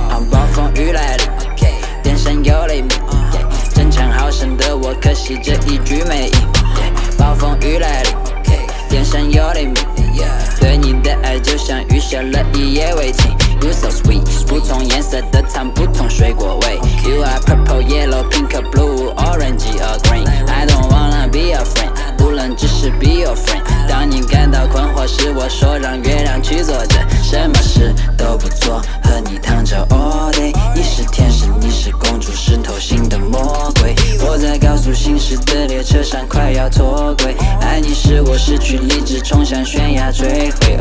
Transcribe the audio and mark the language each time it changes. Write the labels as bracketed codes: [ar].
[zh] 暴风雨来了，电闪又雷鸣，争抢好胜的我，可惜这一局没赢。暴风雨来了，电闪又雷鸣，对你的爱就像雨下了一夜未停。 [en] You so sweet， [zh] 不同颜色的糖，不同水果味。 [en] You are purple, yellow, pink, blue, orange or green. I don't wanna be your friend， [zh] 不能只是 [en] be your friend。 [zh] 当你感到困惑时，我说让月亮去坐着，什么事都不做，和你躺着 [en] all day。 [zh] 你是天使，你是公主，是偷心的魔鬼。我在高速行驶的列车上快要脱轨，爱你使我失去理智，冲向悬崖坠毁。